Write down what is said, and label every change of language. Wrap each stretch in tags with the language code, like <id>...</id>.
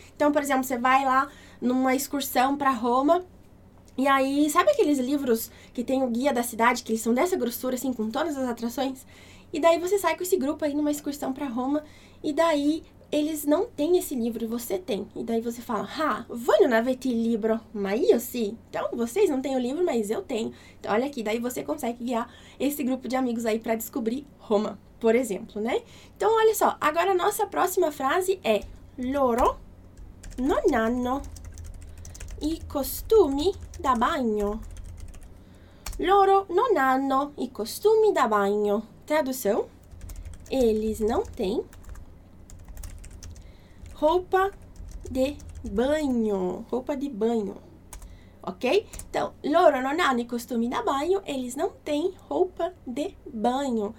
<pt>Então, por exemplo, você vai lá numa excursão para Roma e aí, sabe aqueles livros que tem o guia da cidade, que eles são dessa grossura, assim, com todas as atrações? E daí você sai com esse grupo aí numa excursão para Roma e daí eles não têm esse livro e você tem. E daí você fala: ah,</pt> <it>voi non avete il libro, ma io sì.</it> <pt>Então, vocês não têm o livro, mas eu tenho. Então, olha aqui, daí você consegue guiar esse grupo de amigos aí para descobrir Roma. Por exemplo, né? Então, olha só. Agora, a nossa próxima frase é:</pt> <it>loro non hanno i costumi da bagno. Loro non hanno i costumi da bagno.</it> <pt>Tradução: eles não têm roupa de banho. Roupa de banho. Ok? Então,</pt> <it>loro non hanno i costumi da bagno,</it> <pt>eles não têm roupa de banho.</pt>